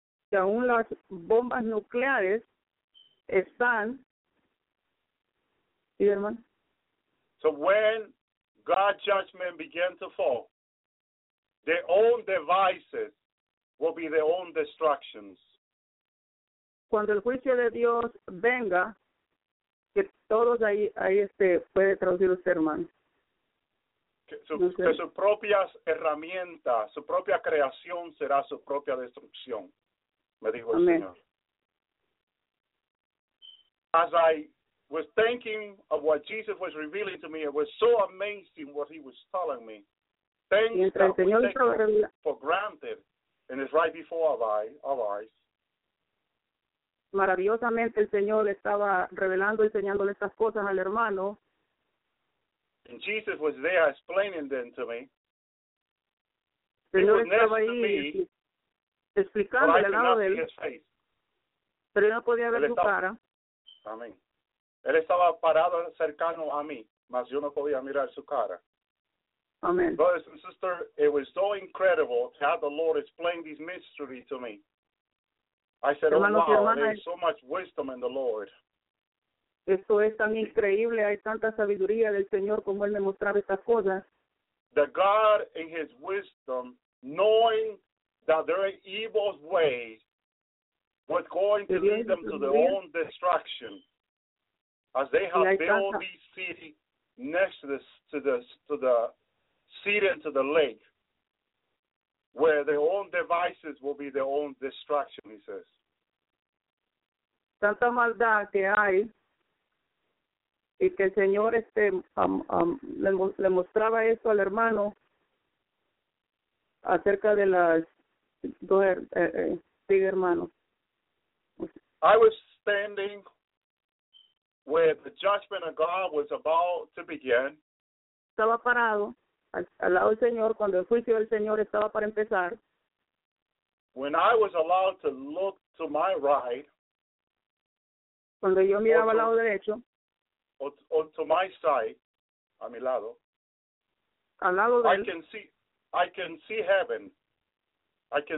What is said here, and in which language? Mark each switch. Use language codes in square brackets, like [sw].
[es] Que aún las bombas nucleares están. ¿Sí, hermano? [en] So when God's judgment began to fall, their own devices will be their own destructions. [es] Cuando el juicio de Dios venga, que todos ahí puede traducir usted, hermano. Que su propia herramienta, su propia creación será su propia destrucción, me dijo Amén. El Señor. [en] As I was thinking of what Jesus was revealing to me, it was so amazing what he was telling me. Things that we take for granted, and it's right before our eyes. [es] Maravillosamente el Señor estaba revelando, enseñándole estas cosas al hermano. [en] And Jesus was there explaining them to me. [es] El Señor estaba ahí explicándole al lado de él. Pero yo no podía ver su cara. Amén. Él estaba parado cercano a mí, mas yo no podía mirar su cara. [en] Amen. Brothers and sisters, it was so incredible to have the Lord explain this mystery to me. I said, [es] hermanos, [en] oh, wow, [es] hermanas, [en] there is so much wisdom in the Lord. [es] Esto es tan increíble. Hay tanta sabiduría del Señor como Él me mostraba estas cosas. [en] That God, in His wisdom, knowing that there are evil ways, was going to lead them to their own destruction. As they have built this city next to the seed into the lake, where their own devices will be their own destruction, he says. [es] Tanta maldad que hay, y que el Señor le mostraba esto al hermano acerca de las dos hermanos. [en] I was standing where the judgment of God was about to begin. [es] Estaba parado al lado del Señor cuando el juicio del Señor estaba para empezar. [en] When I was allowed to look to my right, [es] cuando yo miraba al lado derecho, [en] or to my side, [es] a mi lado, al lado de él, [en] I can see heaven. I can